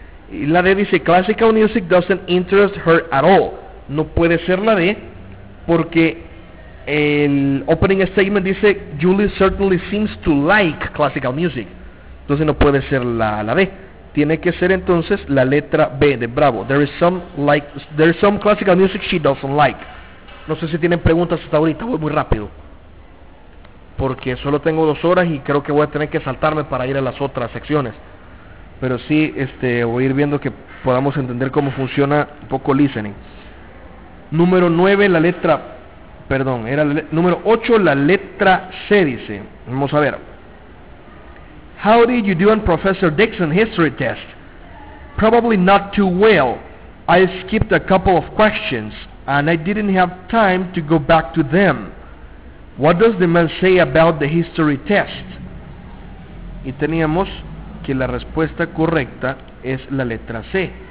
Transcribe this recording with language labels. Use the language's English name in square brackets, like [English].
[Spanish] Y la D dice, [English] classical music doesn't interest her at all. [Spanish] No puede ser la D, porque el opening statement dice, [English] Julie certainly seems to like classical music. [Spanish] Entonces no puede ser la D. Tiene que ser entonces la letra B de Bravo. [English] There is some classical music she doesn't like. [Spanish] No sé si tienen preguntas hasta ahorita, voy muy rápido, porque solo tengo 2 horas y creo que voy a tener que saltarme para ir a las otras secciones. Pero sí, voy a ir viendo que podamos entender cómo funciona un poco listening. Número 9, la letra... Perdón, era la número 8, la letra C dice. [English] Vamos a ver. How did you do on Professor Dixon's history test? Probably not too well. I skipped a couple of questions and I didn't have time to go back to them. What does the man say about the history test? [Spanish] Y teníamos que la respuesta correcta es la letra C.